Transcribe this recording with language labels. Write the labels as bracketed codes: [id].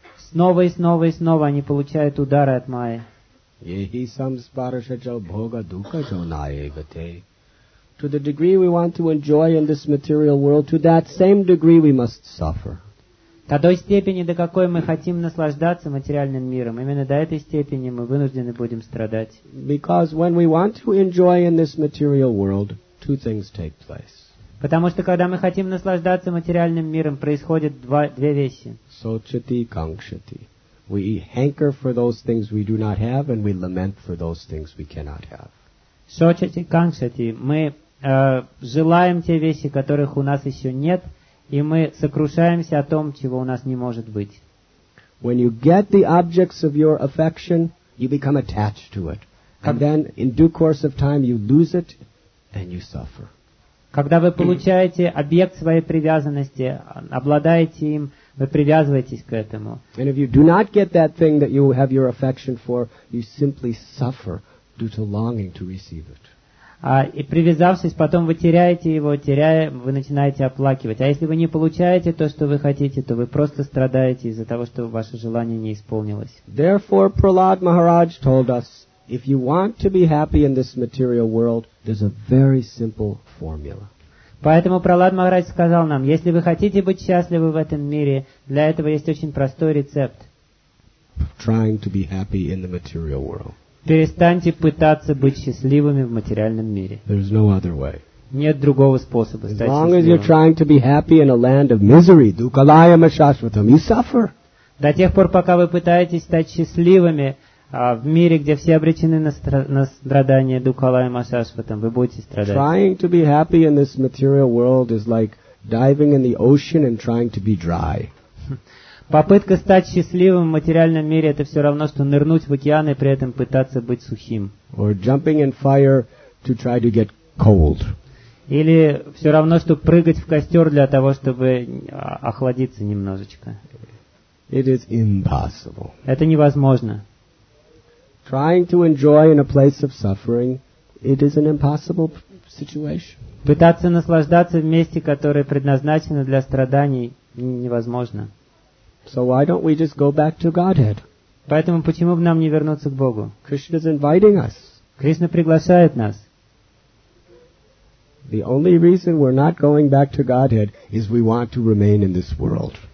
[ru] Снова и снова и снова они получают удары от Майи. [sa] Yehi samsparashaja bhoga dukha jonayegate. [en] To the degree we want to enjoy in this material world, to that same degree we must suffer. [ru] До той степени, до какой мы хотим наслаждаться материальным миром, именно до этой степени мы вынуждены будем страдать. [en] Because when we want to enjoy in this material world, two things take place. [ru] Потому что когда мы хотим наслаждаться материальным миром, происходят две вещи. [sa] Сочати и кангшати. [en] We hanker for those things we do not have, and we lament for those things we cannot have. [sa] Сочати и кангшати. [ru] Мы желаем те вещи, которых у нас еще нет, и мы сокрушаемся о том, чего у нас не может быть. [en] When you get the objects of your affection, you become attached to it. And then, in due course of time, you lose it, and you suffer. [ru] Когда вы получаете объект своей привязанности, обладаете им, вы привязываетесь к этому. [en] And if you do not get that thing that you have your affection for, you simply suffer due to longing to receive it. [ru] И привязавшись, потом вы теряете его, вы начинаете оплакивать. А если вы не получаете то, что вы хотите, то вы просто страдаете из-за того, что ваше желание не исполнилось. [en] Therefore, Prahlad Maharaj told us, if you want to be happy in this material world, there's a very simple formula. [ru] Поэтому Прахлад Махарадж сказал нам, если вы хотите быть счастливы в этом мире, для этого есть очень простой рецепт. [en] Trying to be happy in the material world. [ru] Перестаньте пытаться быть счастливыми в материальном мире. [en] There's no other way. [ru] Нет другого способа стать счастливым. [en] As long as you're trying to be happy in a land of misery, [sa] dukalayam ashashvatam, [en] you suffer. [ru] До тех пор, пока вы пытаетесь стать счастливыми в мире, где все обречены на страдания [sa] Дукхала и Масашватам, [ru] вы будете страдать. [en] Trying to be happy in this material world is like diving in the ocean and trying to be dry. [ru] Попытка стать счастливым в материальном мире — это все равно, что нырнуть в океан и при этом пытаться быть сухим. [en] Or jumping in fire to try to get cold. [ru] Или все равно, что прыгать в костер для того, чтобы охладиться немножечко. [en] It is impossible. [ru] Это невозможно. [en] Trying to enjoy in a place of suffering, it is an impossible situation. [ru] Пытаться наслаждаться в месте, которое предназначено для страданий, невозможно. [en] So why don't we just go back to Godhead? [ru] Поэтому почему бы нам не вернуться к Богу? [en] Krishna is inviting us. [ru] Кришна приглашает нас. [en] The only reason we're not going back to Godhead is we want to remain in this world.